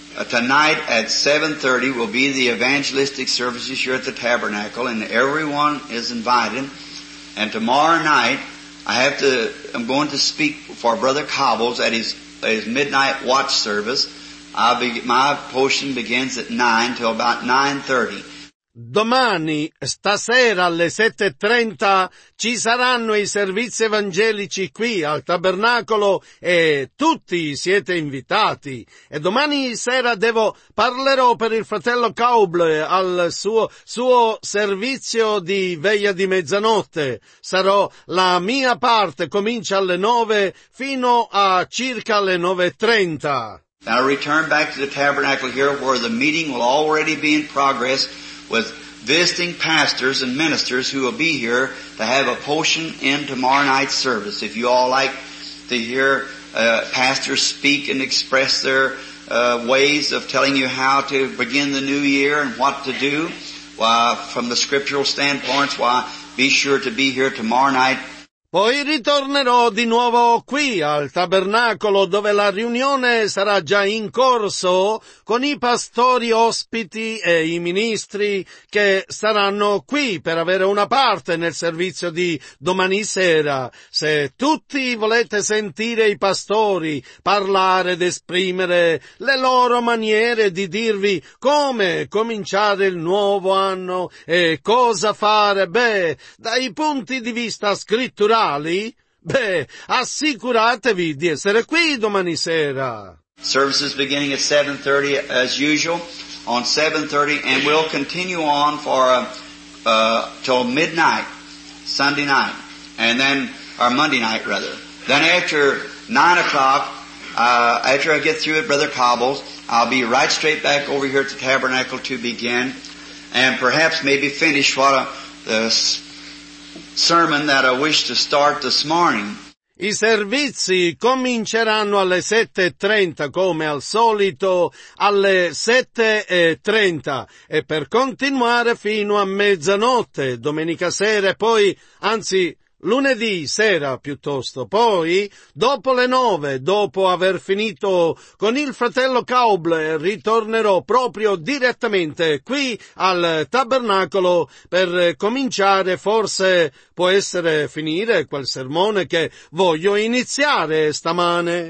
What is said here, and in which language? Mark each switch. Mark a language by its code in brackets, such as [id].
[en] Tonight at 7:30 will be the evangelistic services here at the Tabernacle and everyone is invited. And tomorrow night I'm going to speak for Brother Cobbles at his midnight watch service. My portion begins at 9 till about 9:30. [it] Domani, stasera alle 7:30, ci saranno i servizi evangelici qui al Tabernacolo e tutti siete invitati. E domani sera parlerò per il fratello Cauble al suo servizio di veglia di mezzanotte. Sarò la mia parte, comincia alle 9 fino a circa le 9:30. [en] I'll return back to the Tabernacle here where the meeting will already be in progress. With visiting pastors and ministers who will be here to have a portion in tomorrow night's service. If you all like to hear pastors speak and express their ways of telling you how to begin the new year and what to do, why, from the scriptural standpoints, why, be sure to be here tomorrow night. [it] Poi ritornerò di nuovo qui al Tabernacolo dove la riunione sarà già in corso con i pastori ospiti e i ministri che saranno qui per avere una parte nel servizio di domani sera. Se tutti volete sentire i pastori parlare ed esprimere le loro maniere di dirvi come cominciare il nuovo anno e cosa fare, beh, dai punti di vista scritturali, beh, assicuratevi di essere qui domani sera. [en] Services beginning at 7:30 as usual. on 7:30, and we'll continue on for till midnight, Sunday night, and then or Monday night rather. Then after 9 o'clock, after I get through at Brother Cobble's, I'll be right straight back over here at the tabernacle to begin, and perhaps maybe finish what the sermon that I wish to start this morning. [it] I servizi cominceranno alle 7:30 come al solito, alle 7:30, e per continuare fino a mezzanotte, domenica sera, poi, anzi, lunedì sera piuttosto, poi, dopo le 9, dopo aver finito con il fratello Cauble, ritornerò proprio direttamente qui al tabernacolo per cominciare, forse può essere finire quel sermone che voglio iniziare stamane.